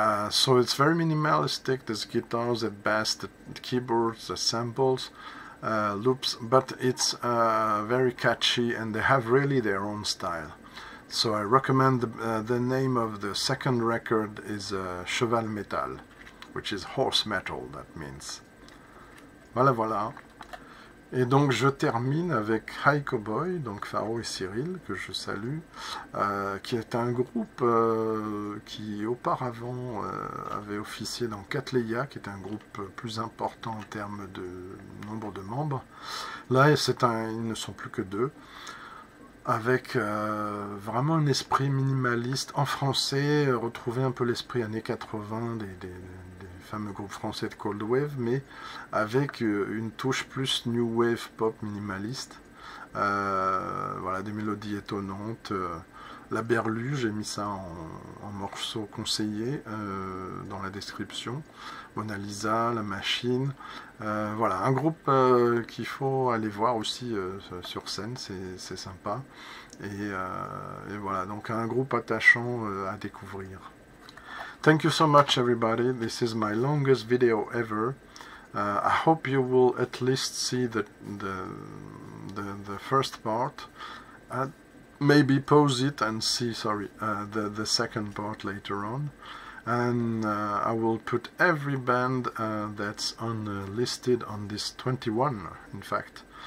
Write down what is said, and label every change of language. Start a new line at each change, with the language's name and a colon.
English: So it's very minimalistic, there's guitars, the bass, the keyboards, the samples, loops, but it's very catchy and they have really their own style. So I recommend the name of the second record is Cheval Metal, which is horse metal, that means.
French: Voilà, voilà. Et donc je termine avec High Cowboy, donc Pharo et Cyril, que je salue, qui est un groupe qui auparavant avait officié dans Catleya, qui est un groupe plus important en termes de nombre de membres. Là, ils ne sont plus que deux, avec vraiment un esprit minimaliste en français, retrouver un peu l'esprit années 80 fameux groupe français de Cold Wave, mais avec une touche plus new wave pop minimaliste. Voilà, des mélodies étonnantes. La berlue, j'ai mis ça en morceau conseillé dans la description. Mona Lisa, la machine. Voilà, un groupe qu'il faut aller voir aussi sur scène, c'est sympa. Et voilà, donc un groupe attachant à découvrir.
English: Thank you so much, everybody. This is my longest video ever. I hope you will at least see the first part. Maybe pause it and see, the second part later on. And I will put every band that's listed on this 21, in fact.